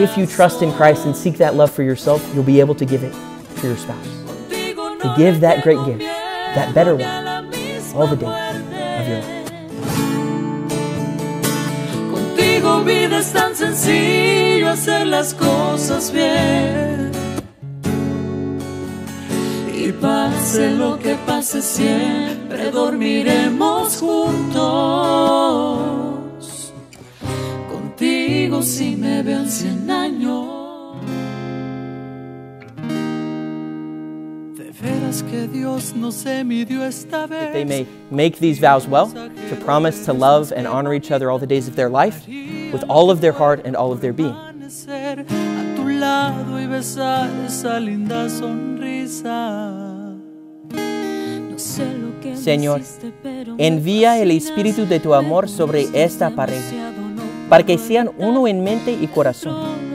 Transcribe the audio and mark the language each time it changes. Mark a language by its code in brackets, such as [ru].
[en] If you trust in Christ and seek that love for yourself, you'll be able to give it to your spouse. To give that great gift, that better one, all the days of your life. [es] Contigo vida es tan sencillo, hacer las cosas bien. Y pase lo que pase, siempre dormiremos juntos. Contigo si me veo en 100 años. De veras que Dios no se midió esta vez. [en] That they may make these vows well, to promise to love and honor each other all the days of their life, with all of their heart and all of their being. [es] A tu lado y besar esa linda sonrisa. Señor, envía el espíritu de tu amor sobre esta pareja, para que sean uno en mente y corazón.